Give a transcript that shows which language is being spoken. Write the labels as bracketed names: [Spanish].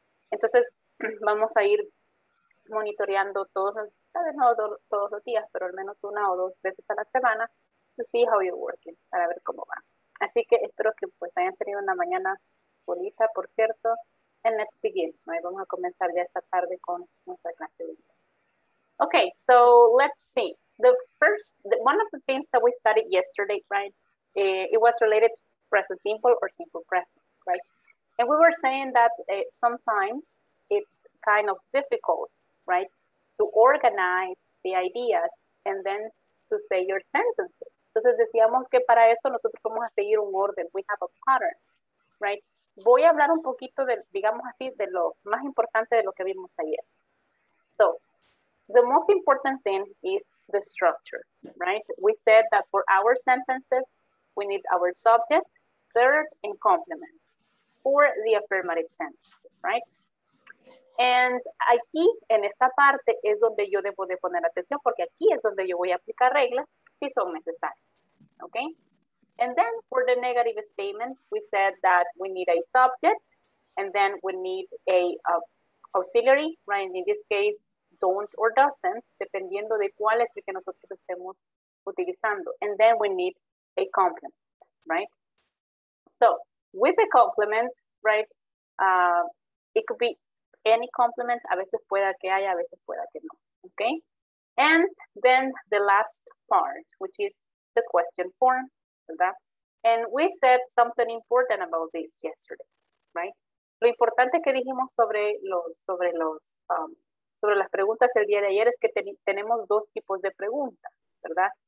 [Spanish] Entonces, vamos a ir monitoreando todos los días, pero al menos una o dos veces a la semana, [English] to see how you're working, [Spanish] para ver cómo va. Así que espero que pues hayan tenido una mañana bonita, por cierto. [English] And let's begin. Right? [Spanish] Vamos a comenzar ya esta tarde con nuestra clase de día. [English] Okay, so let's see. One of the things that we studied yesterday, right? It was related to present simple or simple present, right? And we were saying that sometimes it's kind of difficult, right? To organize the ideas and then to say your sentences. Entonces decíamos que para eso nosotros vamos a seguir un orden. We have a pattern, right? Voy a hablar un poquito de, digamos así, de lo más importante de lo que vimos ayer. So, the most important thing is the structure, right? We said that for our sentences, we need our subject, verb, and complement for the affirmative sentences, right? [Spanish] And aquí, en esta parte, es donde yo debo de poner atención, porque aquí es donde yo voy a aplicar reglas si son necesarias, okay? [English] And then for the negative statements, we said that we need a subject, and then we need a auxiliary, right? In this case, don't or doesn't, [Spanish] dependiendo de cuál es el que nosotros estemos utilizando. [English] And then we need a complement, right? So, with the complement, right, it could be any complement. [Spanish] A veces pueda que haya, a veces pueda que no, okay? [English] And then the last part, which is the question form, ¿verdad? And we said something important about this yesterday, right? [Spanish] Lo importante que dijimos sobre las preguntas el día de ayer es que tenemos dos tipos de preguntas, ¿verdad?